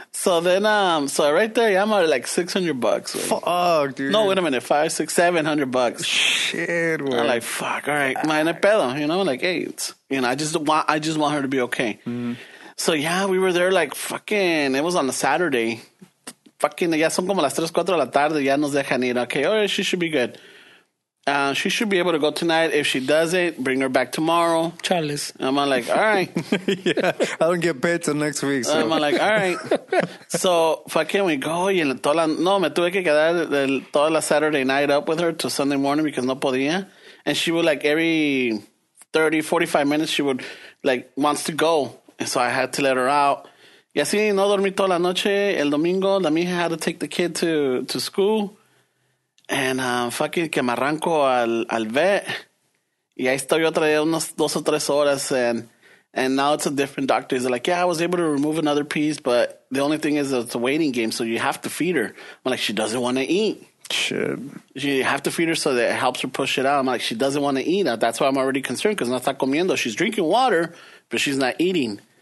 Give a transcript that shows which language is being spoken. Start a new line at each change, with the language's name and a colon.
English: So then, so right there, I'm at like $600. Wait. Fuck, dude. No, wait a minute. $500, $600, $700. Shit, wait. I'm like, fuck. All right. My nepedo, you know, like, hey, it's, you know, I just want her to be okay. Mm. So, yeah, we were there like fucking, it was on a Saturday,
Spanish: fucking, ya son como las 3, 4 de la tarde, ya nos dejan ir.
English: Okay, all right, she should be good. She should be able to go tonight. If she doesn't, bring her back tomorrow. Charles. And I'm like, all right. Yeah, I don't get paid till next week. So. And I'm like, all right. So, fucking, we go.
Spanish: Y en toda la,
English: no, me tuve que quedar el, toda la Saturday night up with her till Sunday morning because
Spanish: no podía.
English: And she would, like, every 30, 45 minutes, she would, like, wants to go. And so I had to let her out.
Spanish: Y así no dormí toda la noche. El domingo, la mija
English: had to take the kid to school. And fucking
Spanish: que me arranco al vet. Y ahí estoy otra vez unos dos o tres horas.
English: And now it's a different doctor. He's like, yeah, I was able to remove another piece. But the only thing is it's a waiting game. So you have to feed her. I'm like, she doesn't want to eat. Shit. You have to feed her so that it helps her push it out. I'm like, she doesn't want to eat. That's why I'm already concerned because
Spanish: no está comiendo.
English: She's drinking water, but she's not eating.